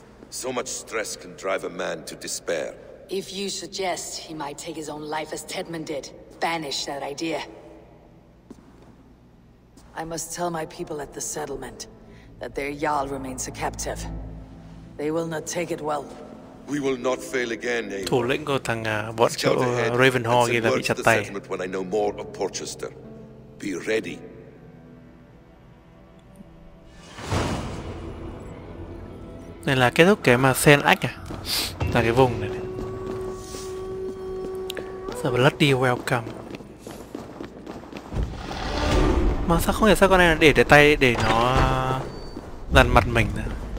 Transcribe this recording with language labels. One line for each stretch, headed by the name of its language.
English: So much stress can drive a man to despair. If you suggest he might take his own life as Tedman did, banish that idea. I must tell my people at the settlement that their Jarl remains a captive. They will not take it well. We will not fail again, eh?
Vietnamese: Thủ lĩnh của thằng bọn chỗ Ravenhall kia đã bị chặt tay.
English: When I know more of Porchester, be ready.
Vietnamese: Đây là kết thúc cái mà Senach à? Là cái vùng này.
English: The bloody welcome.
Vietnamese: Mà sao không hiểu sao con này để tay để nó dằn mặt mình nữa.